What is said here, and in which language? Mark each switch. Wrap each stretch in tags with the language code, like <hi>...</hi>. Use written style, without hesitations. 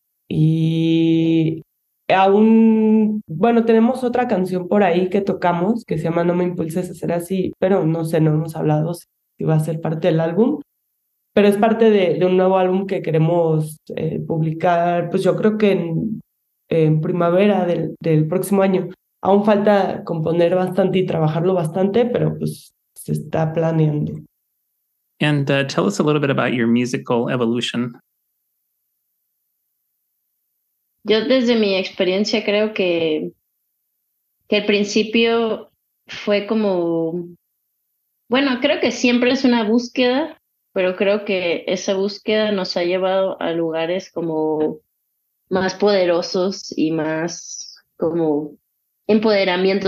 <es>Y aún, bueno, tenemos otra canción por ahí que tocamos, que se llama No me impulses a ser así, pero no sé, no hemos hablado si va a ser parte del álbum. Pero es parte de un nuevo álbum que queremos publicar, pues yo creo que en primavera del próximo año. Aún falta componer bastante y trabajarlo bastante, pero pues se está planeando.</es> <en>And tell us a little bit about your musical evolution.</en> <es>Yo desde mi experiencia creo que al principio fue como, bueno, creo que siempre es una búsqueda, pero creo que esa búsqueda nos ha llevado a lugares como más poderosos y más como empoderamiento.</es>